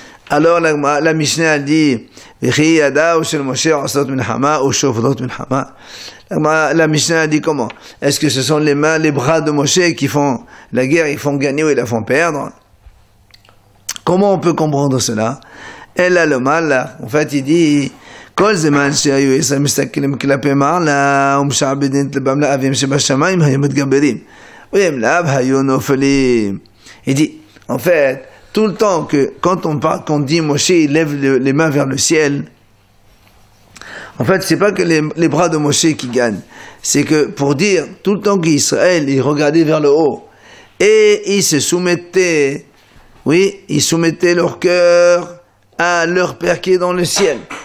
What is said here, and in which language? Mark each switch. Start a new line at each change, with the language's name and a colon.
French: Alors la Mishnah dit, la Mishnah dit comment? Est-ce que ce sont les mains, les bras de Moshe qui font la guerre, ils font gagner ou ils la font perdre? Comment on peut comprendre cela? Elle a le mal là.
Hebrew: En fait, il dit, כל זמן שהיו ישראל מסתכלים כלפי מעלה ומשעבדים את לבם לאבים שבשמיים היו מתגברים והם לאו היו נופלים.
French: Il dit, en fait, tout le temps que, quand on parle, qu'on dit Moshe, il lève les mains vers le ciel, en fait, c'est pas que les bras de Moshe qui gagnent, c'est que pour dire, tout le temps qu'Israël, il regardait vers le haut et il se soumettait, oui, il soumettait leur cœur à leur père qui est dans le ciel.